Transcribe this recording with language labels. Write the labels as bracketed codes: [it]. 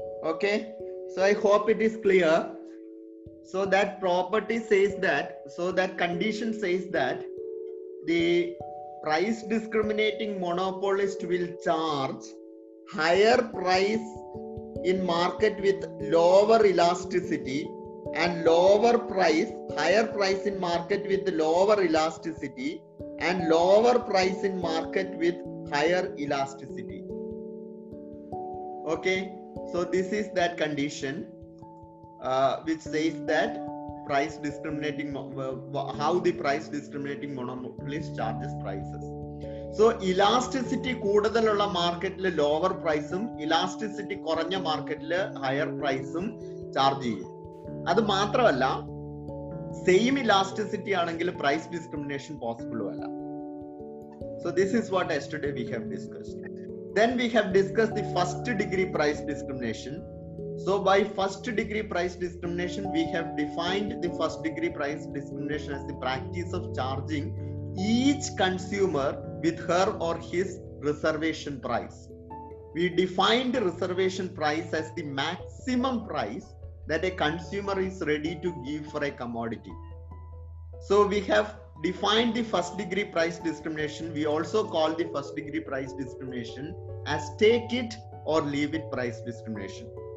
[en] Okay, so I hope it is clear. So that property says that the price discriminating monopolist will charge higher price in market with lower elasticity and lower price higher price in market with lower elasticity and lower price in market with higher elasticity. Okay, so this is that condition which says that price discriminating how the price discriminating monopolist charges prices. [ml] So elasticity കൂടുതലുള്ള മാർക്കറ്റിൽ lower പ്രൈസും elasticity കുറഞ്ഞ മാർക്കറ്റിൽ higher പ്രൈസും charge ചെയ്യും. അത് മാത്രമല്ല, same elasticity ആണെങ്കിൽ പ്രൈസ് ഡിസ്ക്രിമിനേഷൻ പോസിബിളും അല്ല. [en] So this is what yesterday we have discussed. Then we have discussed the first degree price discrimination. So by first degree price discrimination we have defined the first degree price discrimination as the practice of charging each consumer with her or his reservation price. We defined reservation price as the maximum price that a consumer is ready to give for a commodity. So we have defined the first degree price discrimination. We also call the first degree price discrimination as take it or leave it price discrimination.